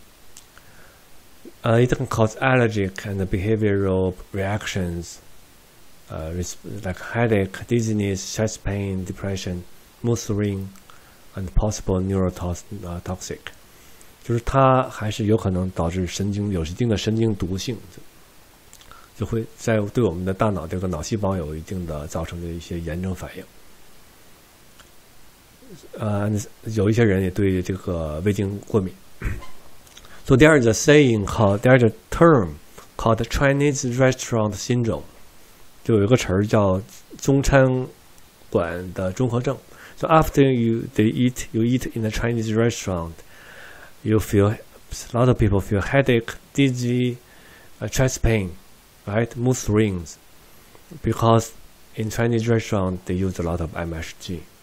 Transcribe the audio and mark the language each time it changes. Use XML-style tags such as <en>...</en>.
<en>谷氨酸钠, it can cause allergic and behavioral reactions like headache, dizziness, chest pain, depression, mood swing, and possible neurotoxic.</en> <zh>就是它还是有可能导致神经有一定的神经毒性, 就会在对我们的大脑这个脑细胞有一定的造成的一些炎症反应。有一些人也对这个味精过敏。</zh> <en>So there is a saying called, there is a term called Chinese restaurant syndrome.</en> <zh>就有一个词叫中餐馆的综合症。</zh> <en>So after you eat in a Chinese restaurant, a lot of people feel headache, dizzy, chest pain, right? Mood swings. Because in Chinese restaurant, they use a lot of MSG.</en>